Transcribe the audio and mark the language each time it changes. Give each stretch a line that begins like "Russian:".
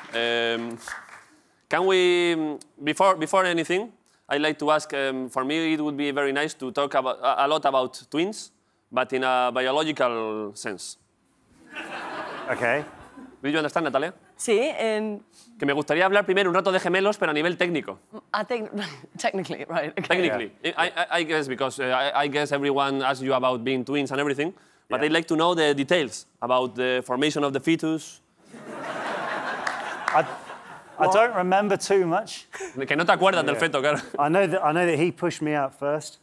English: Can we, before anything, I'd like to ask, for me it would be very nice to talk a lot about twins, but in a biological sense. Okay. Do you understand, Natalia?
Spanish: Sí. Que me gustaría hablar primero un rato de gemelos, pero a nivel técnico.
English: Technically, right. Okay. Technically. Yeah. I guess, because I guess everyone asks you about being twins and everything, but yeah. I'd like to know the details about the formation of the fetus. I don't remember too much.
Spanish: Que no te acuerdas del feto, claro.
English: I know that he pushed me out first.